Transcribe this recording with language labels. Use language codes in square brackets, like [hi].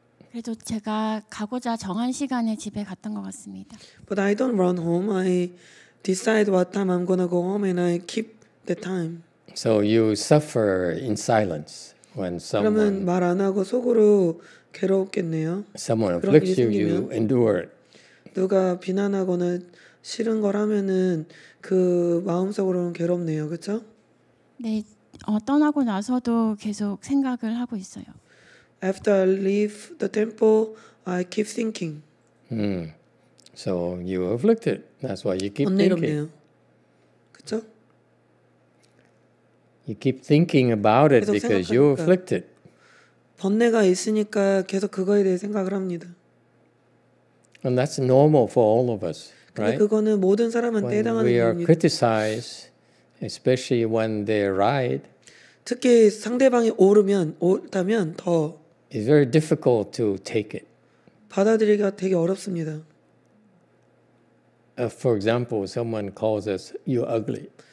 [ko] 그래도 제가 가고자 정한 시간에 집에 갔던 것 같습니다. [en] But I don't run home. I decide what time I'm gonna go home, and I keep the time. So you suffer in silence when someone. [ko] 그러면 말 안 하고 속으로 괴롭겠네요. [en] Someone afflicts you, you endure it. [ko] 누가 비난하거나 싫은 걸 하면은 그 마음속으로는 괴롭네요, 그렇죠? 네, 떠나고 나서도 계속 생각을 하고 있어요. [en] After I leave the temple, I keep thinking. So you are afflicted. That's why you keep [ko] 번뇌롭네요. [en] thinking. [ko] 그렇죠? [en] You keep thinking about it because you are afflicted. [ko] 번뇌가 있으니까 계속 그거에 대해 생각을 합니다. [en] And that's normal for all of us, right? [ko] 그거는 모든 사람한테 해당하는 겁니다. [en] We are criticized, especially when they're right. [ko] 특히 상대방이 옳다면 더 [en] It's very difficult to take it. [ko] 받아들이기가 되게 어렵습니다. [en] For example, someone calls us "you ugly."